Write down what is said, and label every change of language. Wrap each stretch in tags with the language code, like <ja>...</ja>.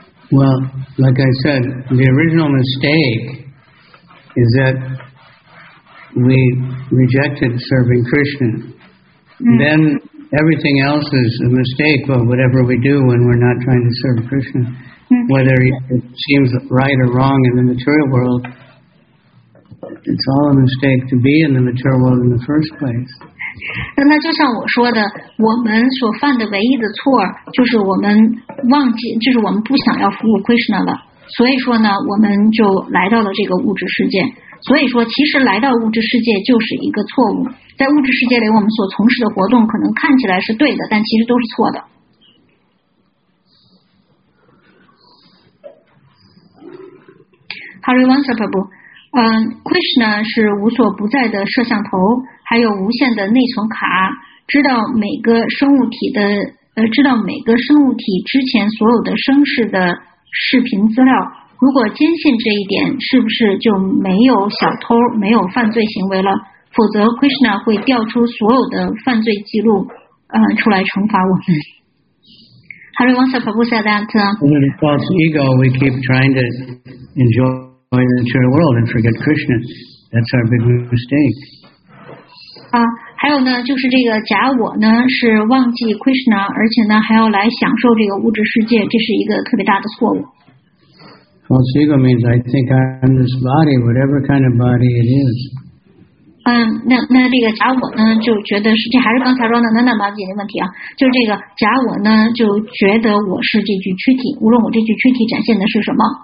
<en>Well, like I said, the original mistake is that we rejected serving Krishna. Then everything else is a mistake, but whatever we do when we're not trying to serve Krishna, whether it seems right or wrong in the material world, it's all a mistake to be in the material world in the first place.</en> <zh>那就像我说的，我们所犯的唯一的错就是我们忘记，就是我们不想要服务 Krishna 了。所以说呢，我们就来到了这个物质世界。所以说，其实来到物质世界就是一个错误。在物质世界里，我们所从事的活动可能看起来是对的，但其实都是错的。 Hari Vansa Prabhu， Krishna 是无所不在的摄像头。还有无限的内存卡，知道每个生物体的知道每个生物体之前所有的生世的视频资料。如果坚信这一点，是不是就没有小偷，没有犯罪行为了？否则 ，Krishna 会调出所有的犯罪记录，出来惩罚我们。</zh> <en>Hari Vansa Prabhu said that. In the false ego, we keep trying to enjoy the material world and forget Krishna. That's our big mistake.</en> <zh>还有呢，就是这个假我呢是忘记 Krishna， 而且呢还要来享受这个物质世界，这是一个特别大的错误。</zh> <en>False ego means I think I'm this body, whatever kind of body it is.</en> <zh>那这个假我呢就觉得是，这还是刚才说的Nanda Maji的问题啊，就是这个假我呢就觉得我是这具躯体，无论我这具躯体展现的是什么。</zh>